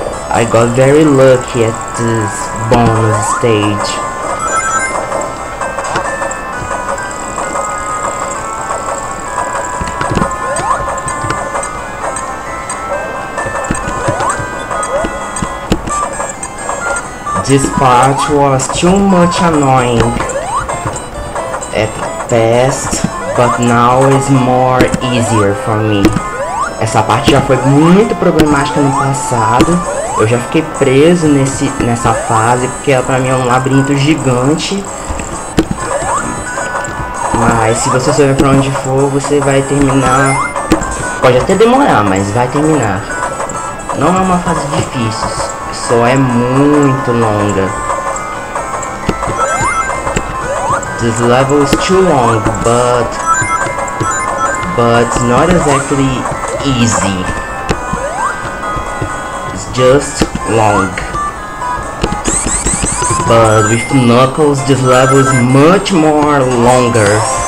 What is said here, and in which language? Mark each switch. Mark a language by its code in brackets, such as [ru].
[en] I got very lucky at this bonus stage. This part was too much annoying at best, but now is more easier for me. [pt] Essa parte já foi muito problemática no passado. Eu já fiquei preso nessa fase, porque ela pra mim é um labirinto gigante. Mas se você souber pra onde for, você vai terminar. Pode até demorar, mas vai terminar. Não é uma fase difícil, só é muito longa. [en] This level is too long, but not exactly easy. It's just long. But with Knuckles, this level is much more longer.